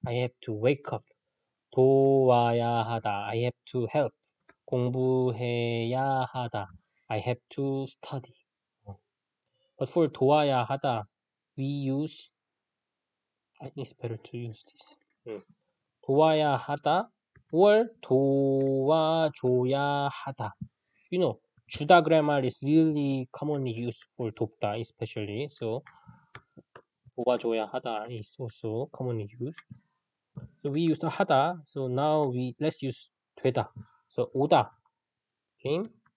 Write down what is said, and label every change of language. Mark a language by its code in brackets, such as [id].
[en] I have to wake up. 도와야 하다. I have to help. [ko] 공부해야 하다. [en] I have to study. But for 도와야 하다, we use, I think it's better to use this. [ko] 도와야 하다, or 도와줘야 하다. [en] You know, 주다 grammar is really commonly used for 돕다, especially. So, 도와줘야 하다 is also commonly used. So we use the 하다. So now let's use 되다. So 오다. Okay?